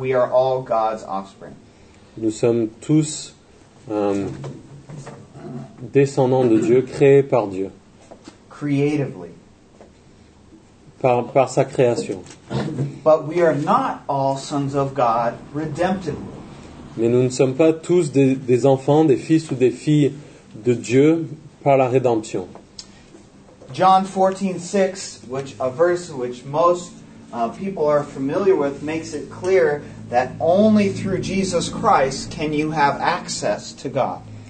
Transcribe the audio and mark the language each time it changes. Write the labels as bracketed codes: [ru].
[en] We are all God's offspring. [fr] Nous sommes tous descendants de Dieu, créés par Dieu. [en] Creatively. [fr] Par sa création. [en] But we are not all sons of God redemptively. [fr] Mais nous ne sommes pas tous des enfants, des fils ou des filles de Dieu par la rédemption. [en] John 14:6, which a verse which most people are familiar with, makes it clear that only through Jesus Christ can you have access to God.